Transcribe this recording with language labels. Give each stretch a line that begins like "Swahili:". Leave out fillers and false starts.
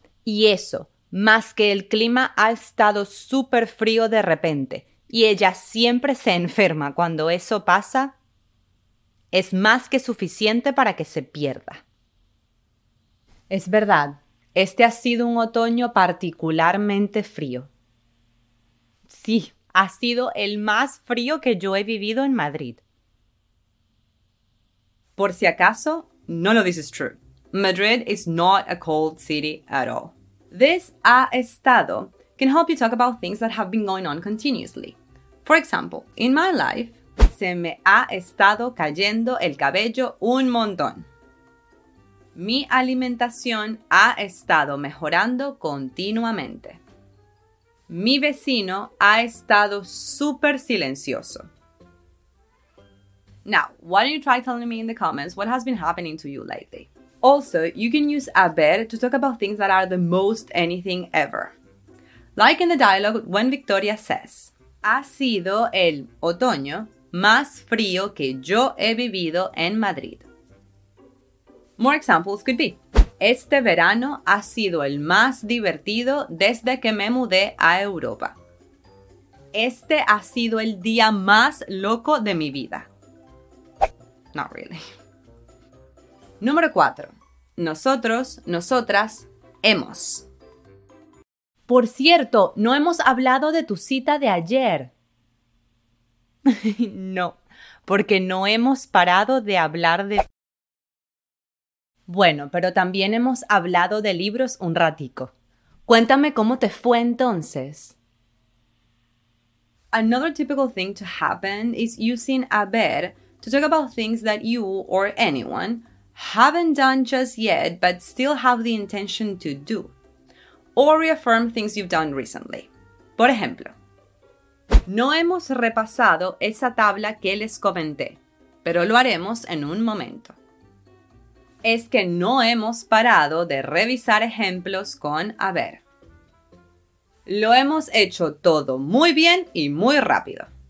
Spanish: Y eso, más que el clima ha estado súper frío de repente, y ella siempre se enferma cuando eso pasa, es más que suficiente para que se pierda. Es verdad. Este ha sido un otoño particularmente frío. Sí, ha sido el más frío que yo he vivido en Madrid. Por si acaso,
English: none of this is true. Madrid is not a cold city at all. This ha estado can help you talk about things that have been going on continuously. For example, in my life,
Spanish: se me ha estado cayendo el cabello un montón. Mi alimentación ha estado mejorando continuamente. Mi vecino ha estado súper silencioso.
English: Now, why don't you try telling me in the comments what has been happening to you lately? Also, you can use haber to talk about things that are the most anything ever. Like in the dialogue when Victoria says,
Spanish: ha sido el otoño más frío que yo he vivido en Madrid.
English: More examples could be,
Spanish: este verano ha sido el más divertido desde que me mudé a Europa. Este ha sido el día más loco de mi vida.
English: Not really.
Spanish: Número 4. Nosotras, hemos. Por cierto, no hemos hablado de tu cita de ayer. No, porque no hemos parado de hablar de... Bueno, pero también hemos hablado de libros un ratico. Cuéntame cómo te fue entonces.
English: Another typical thing to happen is using haber to talk about things that you or anyone haven't done just yet but still have the intention to do. Or reaffirm things you've done recently.
Spanish: Por ejemplo, no hemos repasado esa tabla que les comenté, pero lo haremos en un momento. Es que no hemos parado de revisar ejemplos con haber. Lo hemos hecho todo muy bien y muy rápido.